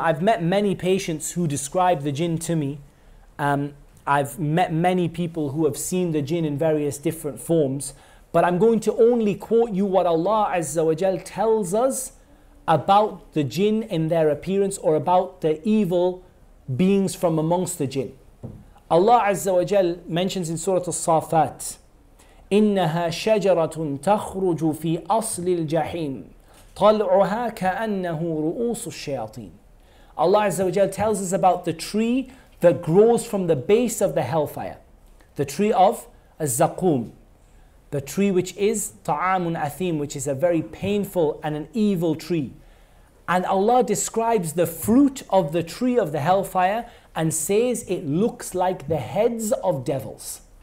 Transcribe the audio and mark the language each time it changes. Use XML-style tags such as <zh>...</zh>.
<en>I've met many patients who describe the jinn to me. I've met many people who have seen the jinn in various different forms. But I'm going to only quote you what Allah Azza wa Jal tells us about the jinn in their appearance, or about the evil beings from amongst the jinn. Allah Azza wa Jal mentions in Surah As-Safat,</en> <ar>إِنَّهَا شَجَرَةٌ تَخْرُجُ فِي أَصْلِ الْجَحِيمِ طلعها كأنه رؤوس الشياطين.</ar> <en>Allah Azza wa Jal tells us about the tree that grows from the base of the hellfire, the tree of al-zaqum, the tree which is ta'amun athim, which is a very painful and an evil tree. And Allah describes the fruit of the tree of the hellfire and says it looks like the heads of devils.</en>